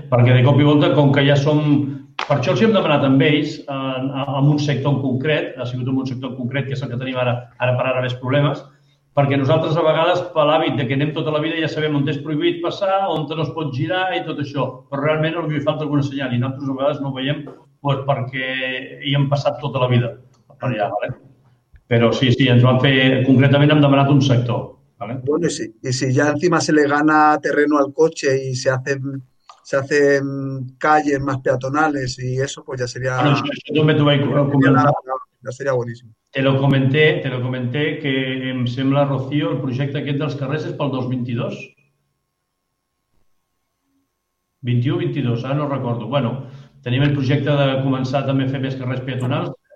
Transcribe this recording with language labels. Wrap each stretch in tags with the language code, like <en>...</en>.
<ca>Perquè de cop i volta, com que ja som... Per això els hem demanat amb ells, en un sector en concret, ha sigut en un sector en concret, que és el que tenim ara per ara més problemes, perquè nosaltres a vegades, per l'hàbit de que anem tota la vida, ja sabem on és prohibit passar, on no es pot girar i tot això. Però realment els hi falta alguna senyal i nosaltres a vegades no ho veiem doncs, perquè hi hem passat tota la vida per allà, d'acord? Però sí, ens van fer... Concretament hem demanat un sector. ¿Vale?</ca> <es>Bueno, y si ya encima se le gana terreno al coche y se hace, se hacen calles más peatonales y eso, pues ya sería... Bueno, yo me tuve que comentar. Ya sería buenísimo. Te lo comenté,</es> <ca>que em sembla, Rocío, el projecte aquest dels carrers és pel 2022. 21, 22, ara no recordo. Bueno, tenim el projecte de començar també a fer més carrers peatonals.</ca>